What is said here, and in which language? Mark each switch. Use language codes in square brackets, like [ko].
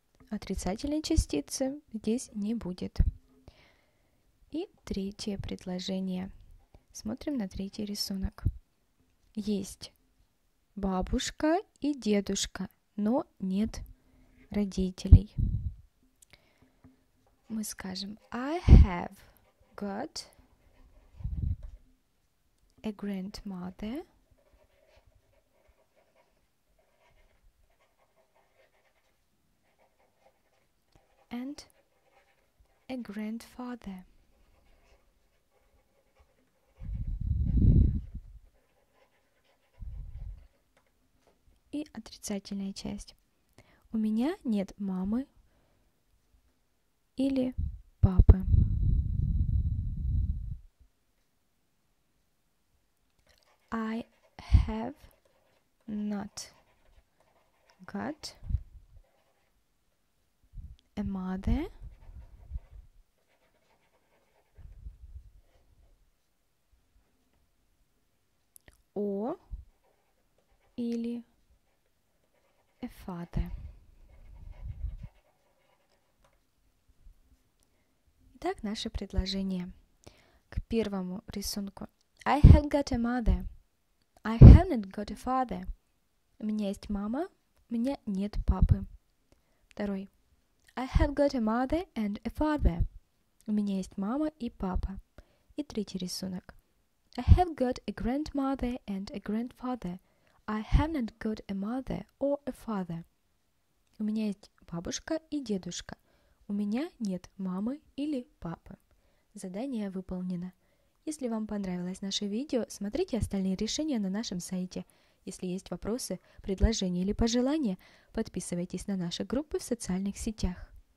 [ru] Отрицательной частицы здесь не будет. И третье предложение. Смотрим на третий рисунок. Есть бабушка и дедушка, но нет родителей. [en] Мы скажем I have got a grandmother and a grandfather. [ru] И отрицательная часть. У меня нет мамы или папы. [en] I have not got a mother or [ru] или [en] a father. [ru] Итак, наше предложение к первому рисунку. [en] I have got a mother. I haven't got a father. [ru] У меня есть мама, у меня нет папы. Второй. [en] I have got a mother and a father. [ru] У меня есть мама и папа. И третий рисунок. [en] I have got a grandmother and a grandfather. I haven't got a mother or a father. [ru] У меня есть бабушка и дедушка. У меня нет мамы или папы. Задание выполнено. Если вам понравилось наше видео, смотрите остальные решения на нашем сайте. Если есть вопросы, предложения или пожелания, подписывайтесь на наши группы в социальных сетях.